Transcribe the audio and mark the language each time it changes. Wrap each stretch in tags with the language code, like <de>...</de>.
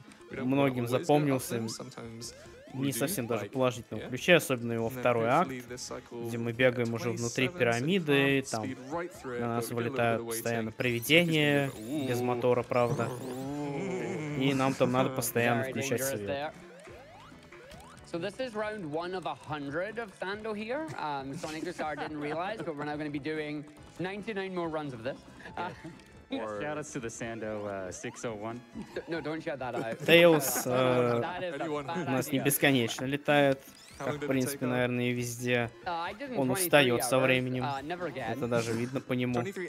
<ru>Многим запомнился. Не совсем даже положительного ключа, особенно его второй акт, где мы бегаем уже внутри пирамиды, там на нас вылетают постоянно привидения, без мотора, правда. И нам там надо постоянно включать свет.</ru> <en>So this is round one of 100 of Sandal here. Sonic the Star didn't realize, but we're now going to be doing 99 more runs of this. Shoutouts to the Sando 601. No, don't shout that out.</en> <ru>Tails у нас не бесконечно летает, как, в принципе, наверное, и везде. Он устает со временем. Это даже видно по нему.</ru>